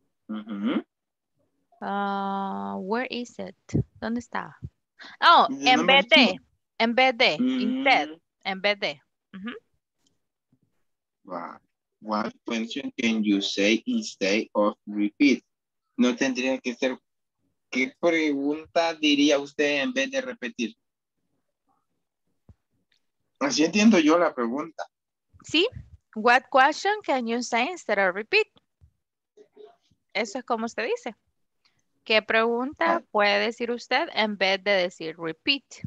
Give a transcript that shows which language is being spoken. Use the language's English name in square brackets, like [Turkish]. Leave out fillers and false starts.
[English] Mm-hmm. Where is it? [Spanish] ¿Dónde está? Oh, en vez de, en vez de, instead, en vez de. [English] What question can you say instead of repeat? [Spanish] No tendría que ser, ¿qué pregunta diría usted en vez de repetir? Así entiendo yo la pregunta. [English] Sí, what question can you say instead of repeat? [Spanish] Eso es como usted dice. ¿Qué pregunta puede decir usted en vez de decir repeat?